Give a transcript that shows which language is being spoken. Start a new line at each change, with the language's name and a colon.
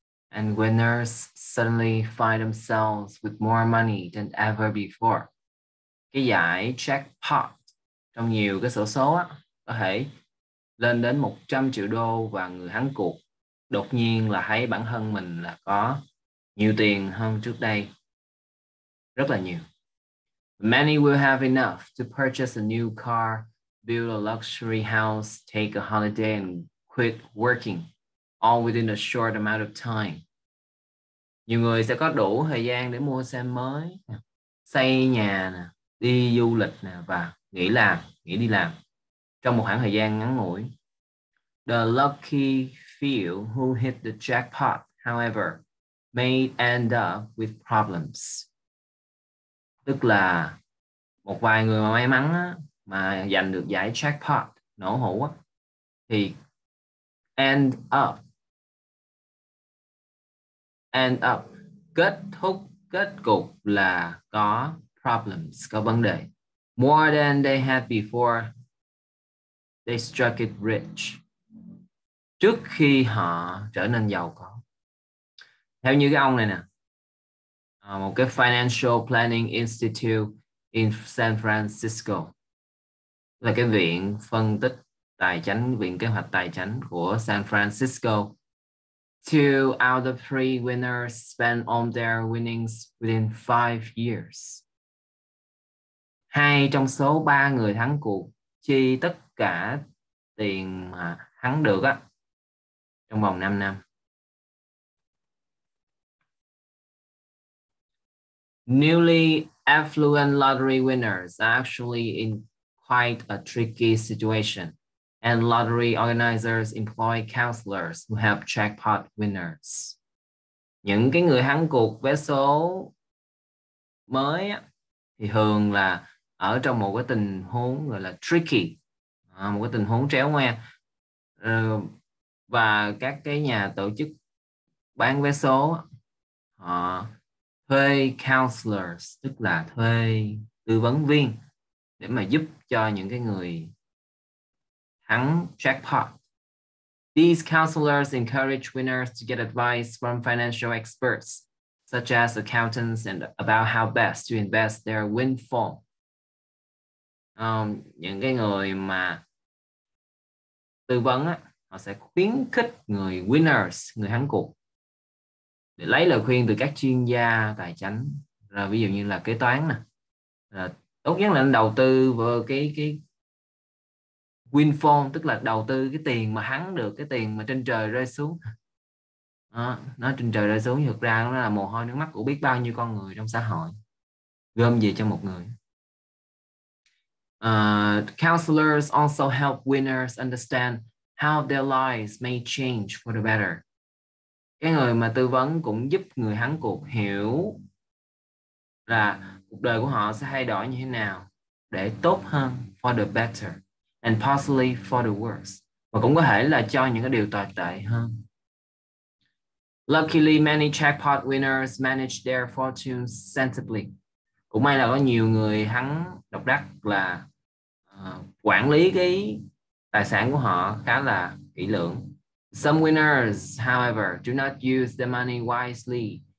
English: And winners suddenly find themselves with more money than ever before.
Vietnamese: Cái giải jackpot trong nhiều cái sổ số á có thể lên đến 100 triệu đô và người thắng cuộc đột nhiên là thấy bản thân mình là có nhiều tiền hơn trước đây. Rất là nhiều.
English: Many will have enough to purchase a new car, build a luxury house, take a holiday and quit working. All within a short amount of time.
Vietnamese: Nhiều người sẽ có đủ thời gian để mua xe mới, xây nhà, đi du lịch và nghỉ đi làm trong một khoảng thời gian ngắn ngủi.
English: The lucky few who hit the jackpot, however, may end up with problems.
Vietnamese: Tức là một vài người mà may mắn mà giành được giải jackpot nổ hũ thì
English: end up,
Vietnamese: kết cục là có problems, có vấn đề.
English: More than they had before, they struck it rich.
Vietnamese: Trước khi họ trở nên giàu có. Theo như cái ông này nè, một cái Financial Planning Institute in San Francisco, là cái viện phân tích tài chánh, viện kế hoạch tài chánh của San Francisco.
English: Two out of three winners spend all their winnings within 5 years.
Vietnamese: Hai trong số ba người thắng cuộc chi tất cả tiền mà thắng được á trong vòng 5 năm.
English: Newly affluent lottery winners are actually in quite a tricky situation. And lottery organizers employ counselors who help jackpot winners.
Vietnamese: Những cái người thắng cuộc vé số mới á, thì thường là ở trong một cái tình huống gọi là tricky, một cái tình huống tréo ngoe. Và các cái nhà tổ chức bán vé số họ thuê counselors, tức là thuê tư vấn viên để mà giúp cho những cái người thắng jackpot. These counselors encourage winners to get advice from financial experts, such as accountants, and about how best to invest their windfall. Những cái người mà tư vấn á, họ sẽ khuyến khích người winners, người thắng cuộc, để lấy lời khuyên từ các chuyên gia tài chính, rồi ví dụ như là kế toán nè, tốt nhất là nên đầu tư vào cái windfall, tức là đầu tư cái tiền mà hắn được, cái tiền mà trên trời rơi xuống. Nó trên trời rơi xuống, thực ra nó là mồ hôi nước mắt của biết bao nhiêu con người trong xã hội gom về cho một người.
English: Counselors also help winners understand how their lives may change for the better.
Vietnamese: Cái người mà tư vấn cũng giúp người thắng cuộc hiểu là cuộc đời của họ sẽ thay đổi như thế nào để tốt hơn,
English: for the better. And possibly for the worse.
Vietnamese: Và cũng có thể là cho những cái điều tồi tệ hơn.
English: Luckily, many jackpot winners manage their fortunes sensibly.
Vietnamese: Cũng may là có nhiều người thắng độc đắc là quản lý cái tài sản của họ khá là kỹ lưỡng.
English: Some winners, however, do not use the money wisely.